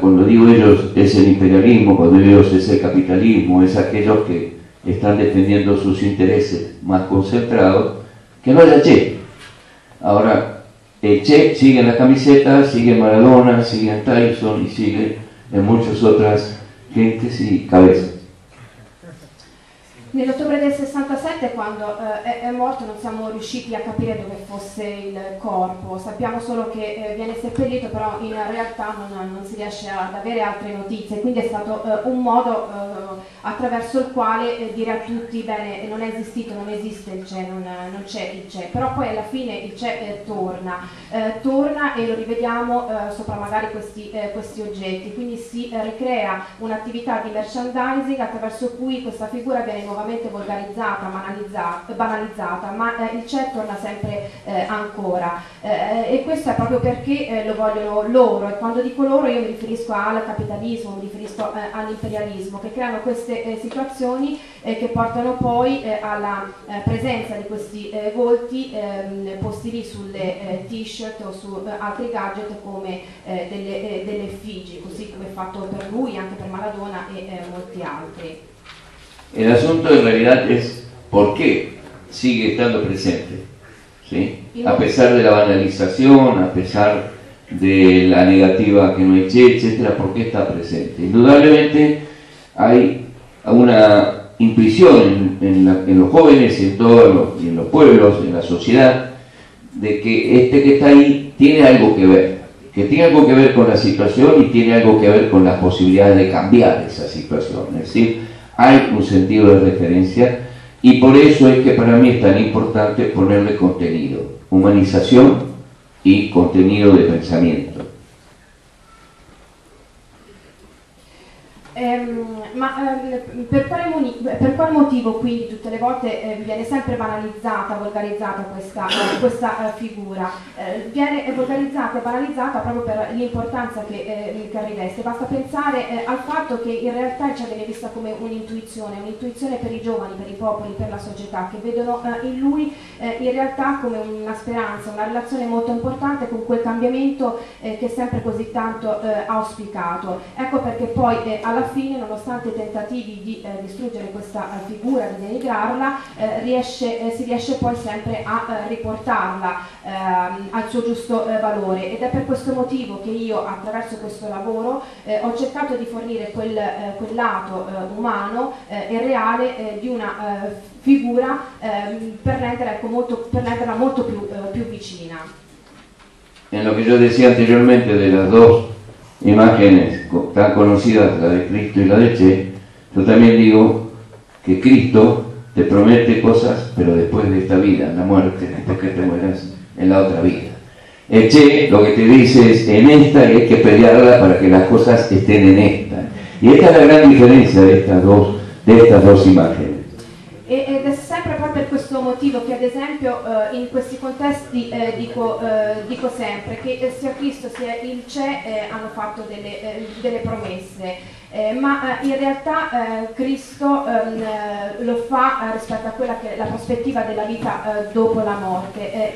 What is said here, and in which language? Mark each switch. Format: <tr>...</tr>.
<es>Cuando digo ellos es el imperialismo, cuando digo ellos es el capitalismo, es aquellos que están defendiendo sus intereses más concentrados, que no haya Che. Ahora, el Che sigue en la camiseta, sigue en Maradona, sigue en Tyson y sigue en muchas otras gentes y cabezas.</es> <it>Nell'ottobre del 67, quando è morto, non siamo riusciti a capire dove fosse il corpo. Sappiamo solo che viene seppellito, però in realtà non si riesce ad avere altre notizie. Quindi è stato un modo attraverso il quale dire a tutti: bene, non è esistito, non esiste il CE, non c'è il CE. Però poi alla fine il CE torna. Torna e lo rivediamo sopra magari questi oggetti. Quindi si ricrea un'attività di merchandising attraverso cui questa figura viene nuovamente volgarizzata, banalizzata, ma il CE torna sempre ancora. E questo è proprio perché lo vogliono loro, e quando dico loro io mi riferisco al capitalismo, mi riferisco all'imperialismo, che creano queste situazioni che portano poi alla presenza di questi volti posti lì sulle t-shirt o su altri gadget come delle effigie, così come fatto per lui, anche per Maradona e molti altri.</it> <es>El asunto en realidad es por qué sigue estando presente, ¿sí? A pesar de la banalización, a pesar de la negativa que no eche, etcétera, ¿por qué está presente? Indudablemente hay una intuición en los jóvenes, en los pueblos, en la sociedad, de que este que está ahí tiene algo que ver, que tiene algo que ver con la situación y tiene algo que ver con las posibilidades de cambiar esa situación, es decir, hay un sentido de referencia, y por eso es que para mí es tan importante ponerle contenido, humanización y contenido de pensamiento.</es> <it>ma per quale motivo quindi tutte le volte viene sempre banalizzata, volgarizzata questa figura? Viene volgarizzata e banalizzata proprio per l'importanza che riveste. Basta pensare al fatto che in realtà ci viene vista come un'intuizione per i giovani, per i popoli, per la società, che vedono in lui in realtà come una speranza, una relazione molto importante con quel cambiamento che è sempre così tanto auspicato. Ecco perché poi alla fine, nonostante i tentativi di distruggere questa figura, di denigrarla, si riesce poi sempre a riportarla al suo giusto valore. Ed è per questo motivo che io, attraverso questo lavoro, ho cercato di fornire quel lato umano e reale di una figura per renderla molto più vicina.</it> <es>En lo que yo decía anteriormente de las dos imágenes tan conocidas, la de Cristo y la de Che, yo también digo que Cristo te promete cosas, pero después de esta vida, la muerte, después que te mueras en la otra vida. El Che lo que te dice es, en esta hay que pelearla para que las cosas estén en esta. Y esta es la gran diferencia de estas dos imágenes.</es> <it>Ed è sempre proprio per questo motivo che, ad esempio, in questi contesti dico sempre che sia Cristo sia il Che hanno fatto delle promesse, ma in realtà Cristo lo fa rispetto a quella che è la prospettiva della vita dopo la morte.</it>